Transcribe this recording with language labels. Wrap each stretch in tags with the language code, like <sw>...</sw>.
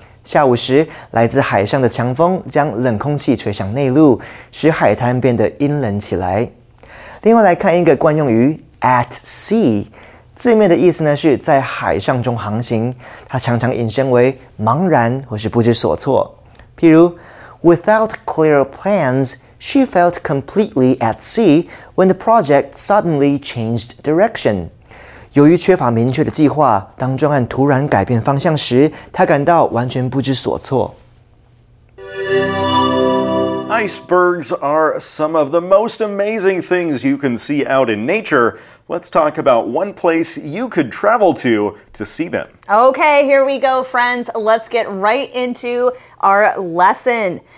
<zh>下午时，来自海上的强风将冷空气吹向内陆，使海滩变得阴冷起来。另外来看一个惯用语 at sea， 字面的意思呢是在海上中航行，它常常引申为茫然或是不知所措。譬如</zh> <en>without clear plans,She felt completely at sea when the project suddenly changed direction.</en> <zh>由于缺乏明确的计划，当专案突然改变方向时，她感到完全不知所措。</zh> <en>Icebergs are some of the most amazing things you can see out in nature. Let's talk about one place you could travel to see them. Okay, here we go, friends. Let's get right into our lesson.</en>